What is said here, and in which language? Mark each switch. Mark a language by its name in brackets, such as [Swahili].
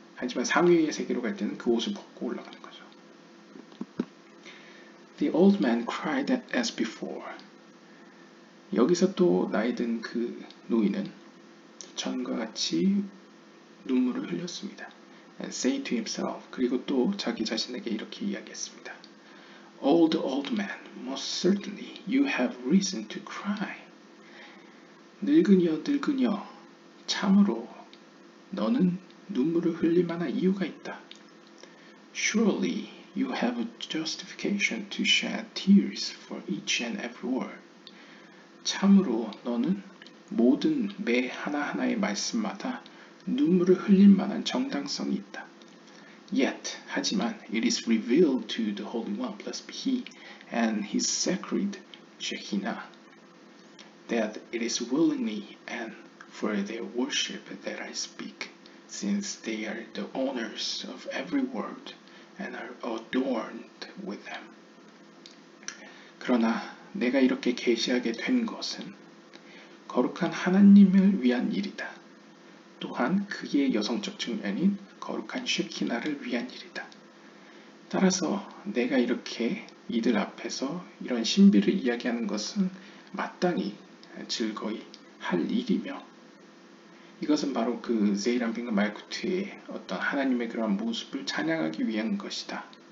[Korean] 하지만 상위의 세계로 갈 때는 그 옷을 벗고 올라가는 거죠. [English] The old man cried as before. [Korean] 여기서 또 나이 든 그 노인은 전과 같이 눈물을 흘렸습니다. [English] And say to himself, [Korean] 그리고 또 자기 자신에게 이렇게 이야기했습니다. [English] Old, old man, most certainly you have reason to cry. [Korean] 늙은이여, 늙은이여, 참으로 너는 눈물을 흘릴 만한 이유가 있다. [English] Surely you have a justification to shed tears for each and every word. [Korean] 참으로 너는 모든 매 하나하나의 말씀마다 눈물을 흘릴 만한 정당성이 있다. [English] Yet, [Korean] 하지만, [English] it is revealed to the Holy One, blessed be He, and His sacred Shekhinah, that it is willingly and for their worship that I speak, since they are the owners of every word and are adorned with them. [Korean] 그러나, 내가 이렇게 계시하게 된 것은 거룩한 하나님을 위한 일이다. 또한 그의 여성적 측면인 거룩한 쉐키나를 위한 일이다. 따라서 내가 이렇게 이들 앞에서 이런 신비를 이야기하는 것은 마땅히 즐거이 할 일이며 이것은 바로 그 제이람빙과 말쿠트의 어떤 하나님의 그러한 모습을 찬양하기 위한 것이다.